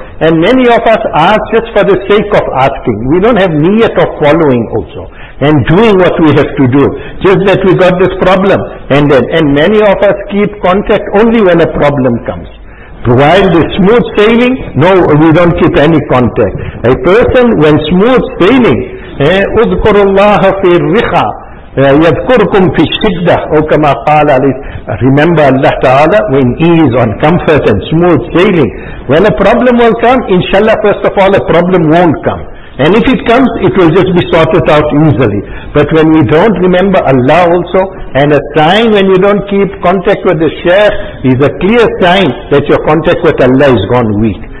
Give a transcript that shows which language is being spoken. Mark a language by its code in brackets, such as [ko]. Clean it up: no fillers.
[en] And many of us ask just for the sake of asking. We don't have niyat of following also and doing what we have to do. Just that we got this problem, and many of us keep contact only when a problem comes. While the smooth sailing, no, we don't keep any contact. A person when smooth sailing, [ar] اذكر الله في الرخاء يذكركم في الشدة أو كما قال عليه. [en] Remember Allah Ta'ala when ease on comfort and smooth sailing. When a problem will come, inshallah, first of all, a problem won't come. And if it comes, it will just be sorted out easily. But when we don't remember Allah also, and a sign when you don't keep contact with the Shaykh is a clear sign that your contact with Allah is gone weak.